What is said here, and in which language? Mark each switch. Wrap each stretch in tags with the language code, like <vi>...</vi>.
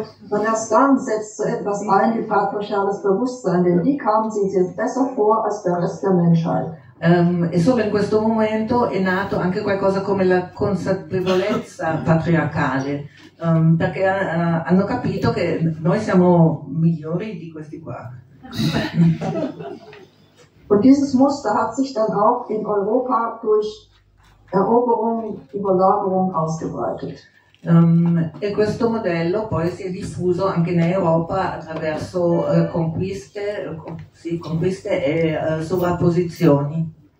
<de>Und erst dann setzt so etwas ein, die patriarchales Bewusstsein, denn die kamen sich jetzt besser vor als der Rest der Menschheit.</de> <it>E solo in questo momento è nato anche qualcosa come la consapevolezza patriarcale, perché hanno capito che noi siamo migliori di questi qua.</it> <de>Und dieses Muster hat sich dann auch in Europa durch Eroberung, Überlagerung ausgebreitet.</de> <it>E questo modello poi si è diffuso anche in Europa attraverso conquiste e sovrapposizioni.</it>